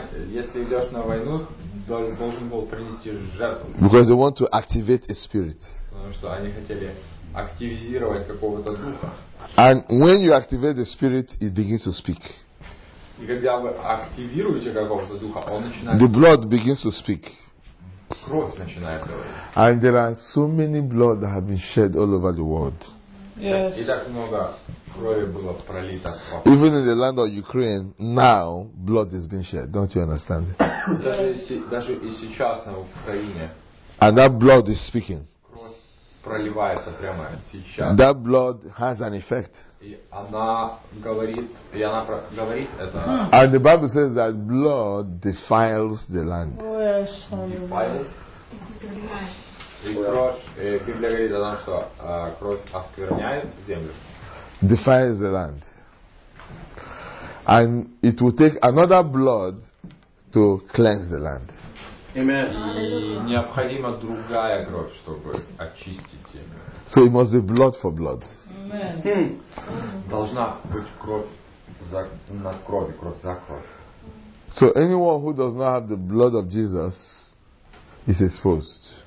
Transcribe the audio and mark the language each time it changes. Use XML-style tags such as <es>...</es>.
<ru>Если идешь на войну, должен был принести жертву.</ru> <en>Because they want to activate a spirit.</en> <ru>Потому что они хотели активизировать какого-то духа.</ru> <en>And when you activate the spirit, it begins to speak.</en> <ru>И когда вы активируете какого-то духа, он начинает.</ru> <en>The blood begins to speak.</en> <ru>Кровь начинает говорить.</ru> <en>And there are so many blood that have been shed all over the world. Yes.</en> <ru>И так много крови было пролито.</ru> <en>Even in the land of Ukraine, now blood is being shed. Don't you understand?</en> <ru>Даже и сейчас на Украине.</ru> <en>And that blood is speaking.</en> <ru>Кровь проливается прямо сейчас.</ru> <en>That blood has an effect.</en> <ru>И она говорит это.</ru> <en>And the Bible says that blood defiles the land. Yes. Defiles.</en> <ru>Библия говорит о том, что кровь оскверняет землю.</ru> <en>Defiles the land. And it will take another blood to cleanse the land. Amen.</en> <ru>И необходима другая кровь, чтобы очистить землю.</ru> <en>So it must be blood for blood. Amen.</en> <ru>Должна быть кровь за на крови, кровь за кровь.</ru> <en>So anyone who does not have the blood of Jesus is exposed.</en>